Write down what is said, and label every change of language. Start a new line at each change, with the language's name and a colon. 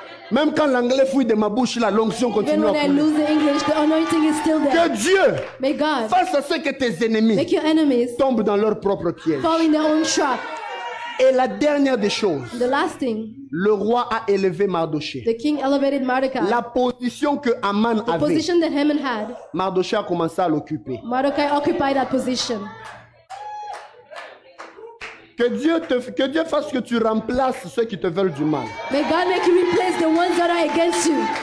French: Même quand l'anglais fouille de ma bouche, là, l'onction continue
English: even
French: à couler.
English: I lose the English, the anointing is still there.
French: Que Dieu
English: may God
French: fasse à ce que tes ennemis
English: make your enemies
French: tombent dans leur propre piège.
English: Fall in their own trap.
French: Et la dernière des choses,
English: the last thing,
French: le roi a élevé Mardoché.
English: The king elevated Mardochée.
French: La position que Haman
English: the
French: avait,
English: position that Haman had,
French: Mardoché a commencé à l'occuper.
English: Mardochée occupied that position.
French: Que Dieu fasse que tu remplaces ceux qui te veulent du mal.
English: May God make you replace the ones that are against you.